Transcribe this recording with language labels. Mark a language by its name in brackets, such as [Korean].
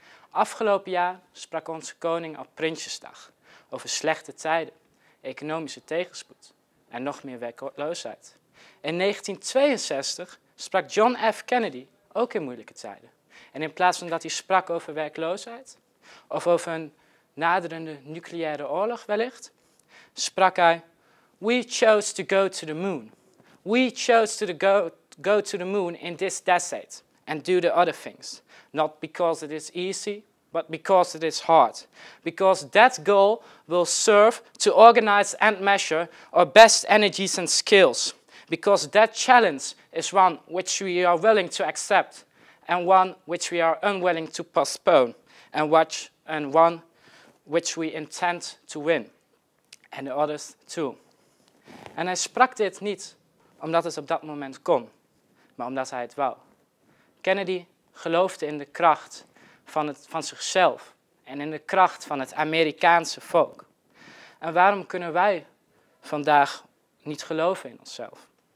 [Dutch] Afgelopen jaar sprak onze koning op Prinsjesdag over slechte tijden, economische tegenspoed en nog meer werkloosheid. In 1962 sprak John F. Kennedy ook in moeilijke tijden. En in plaats van dat hij sprak over werkloosheid of over een naderende nucleaire oorlog wellicht, sprak hij: [English] "We chose to go to the moon. We chose to go to the moon in this decade and do the other things. Not because it is easy, but because it is hard. Because that goal will serve to organize and measure our best energies and skills. Because that challenge is one which we are willing to accept and one which we are unwilling to postpone and one which we intend to win. And the others too." [Dutch] En hij sprak dit niet omdat het op dat moment kon, maar omdat hij het wou. Kennedy geloofde in de kracht van zichzelf en in de kracht van het Amerikaanse volk. En waarom kunnen wij vandaag niet geloven in onszelf?